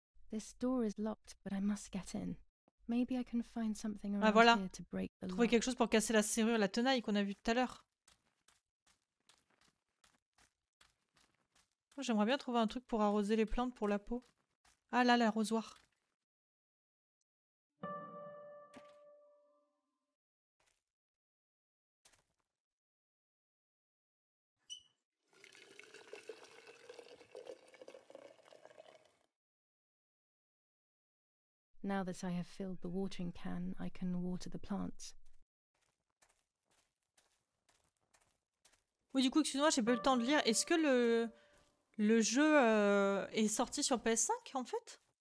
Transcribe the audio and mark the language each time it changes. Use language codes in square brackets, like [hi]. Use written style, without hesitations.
[en] This door is locked, but I must get in. Maybe I can find something around here to break the lock. [fr] Trouver quelque chose pour casser la serrure, la tenaille qu'on a vue tout à l'heure. Moi, j'aimerais bien trouver un truc pour arroser les plantes pour la peau. Ah là, l'arrosoir. [en] Now that I have filled the watering can, I can water the plants. [fr] Oui, du coup, excuse-moi, j'ai pas eu le temps de lire. Est-ce que le jeu est sorti sur PS5, en fait?